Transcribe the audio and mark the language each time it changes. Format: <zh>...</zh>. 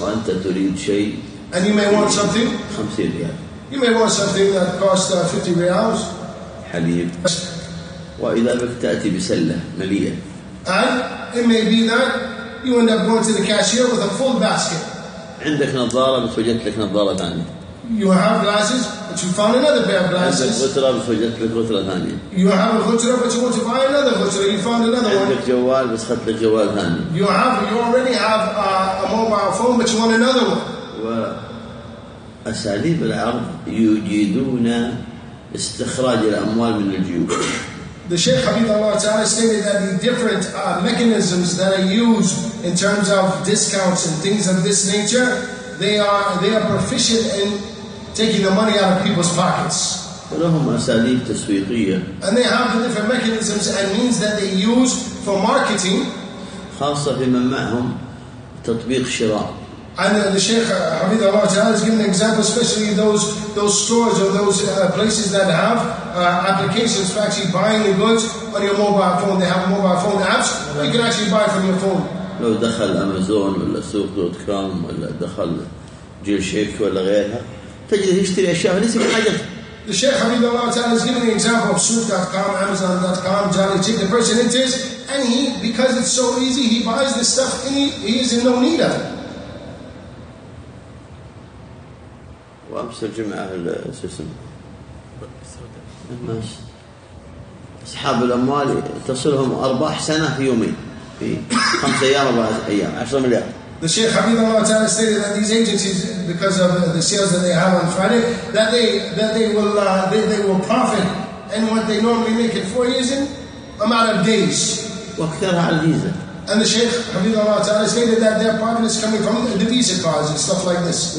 <ar>وأنت تريد شيء.</ar> <en>And you may want something.</en> <ar>50 ريال.</ar> <en>You may want something that costs 50 reals.</en> <ar>حليب. وإذا تأتي بسلة مليئة.</ar> <en>And it may be that you end up going to the cashier with a full basket.</en> <ar>عندك نظارة بس وجدت لك نظارة ثانية.</ar> <en>You have glasses, but you found another pair of glasses.</en> <ar>عندك غترة بس وجدت لك غترة ثانية.</ar> <en>You have a غترة, but you want to buy another غترة. You found another</en> <ar>عندك</ar> <en>one.</en> <ar>عندك جوال بس خدت لك جوال ثاني.</ar> <en>You already have a mobile phone, but you want another one.</en> <ar>وأساليب العرض يجيدون استخراج الأموال من الجيوب.</ar> <en>The Shaykh Hamidullah Ta'ala stated that the different mechanisms that are used in terms of discounts and things of this nature, they are proficient in taking the money out of people's pockets.</en> <ar>ولهم أساليب تسويقية.</ar> <en>And they have the different mechanisms and means that they use for marketing.</en> <ar>خاصة في من معهم تطبيق شراء.</ar> <en>And the Sheikh Hafidah Allah Ta'ala has given an example, especially those stores or those places that have applications for actually buying the goods on your mobile phone. They have mobile phone apps, or you can actually buy from your phone.</en> <ar>لو دخل أمازون ولا سوق.com ولا دخل جيل شيك ولا غيرها تجد يشتري أشياء ليس بحاجته.</ar> <en>The Sheikh Hafidah Allah Ta'ala has given an example of Souq.com, Amazon.com, JaliTik. The person enters and he, because it's so easy, he buys this stuff and he is in no need of it.</en> <ar>وأمس الجمعة الناس أصحاب الأموال تصلهم أرباح سنة في يومين في 5 أيام 10 مليار.</ar> <en>The Sheikh Hafidah Allah Ta'ala stated that these agencies, because of the sales that they have on Friday, that they will profit and what they normally make in 4 years in a matter of days.</en> <ar>وأكثرها على الفيزا.</ar> <en>And the Sheikh Hafidah Allah Ta'ala stated that their profit is coming from the visa cards and stuff like this.</en>